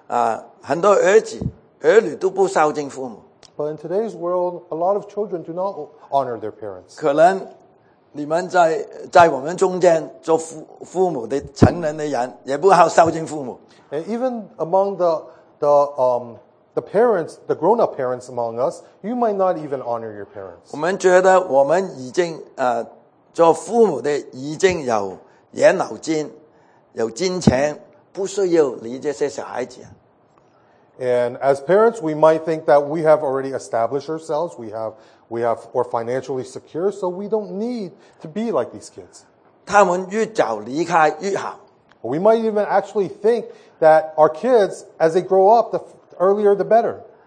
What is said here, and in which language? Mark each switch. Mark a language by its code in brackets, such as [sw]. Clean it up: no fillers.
[zh] 但是好像现在,很多儿女都不孝敬父母。 [en] But in today's world, a lot of children do not honor their parents. [zh] 你们在我们中间做父母的成人的人也不好孝敬父母。 [en] And even among the parents, the grown-up parents among us, you might not even honor your parents. [zh] 我们觉得我们已经做父母的已经有养老金，有金钱，不需要理这些小孩子。 [en] And as parents, we might think that we have already established ourselves. We're financially secure, so we don't need to be like these kids. [zh] 他们越早离开越好。 [en] We might even actually think that our kids, as they grow up, the earlier the better.